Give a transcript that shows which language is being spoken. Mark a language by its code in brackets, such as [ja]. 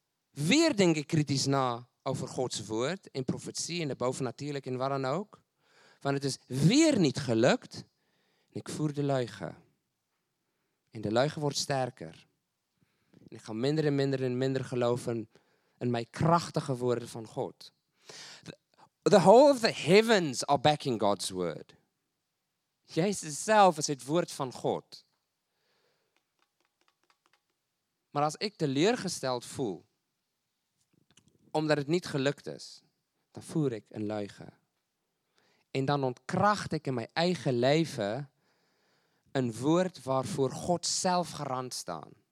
[nl] Weer denk ik kritisch na over Gods woord in profetie en de bovennatuurlijke en wat dan ook. Want het is weer niet gelukt. En ik voer de leugen. En de leugen wordt sterker. En ik ga minder en minder en minder geloven in mijn krachtige woorden van God. [en] The whole of the heavens are backing God's word. [nl] Jezus zelf is het woord van God. Maar als ik teleurgesteld voel, omdat het niet gelukt is, dan voer ik een leugen. En dan ontkracht ik in mijn eigen leven een woord waarvoor God zelf garant staat.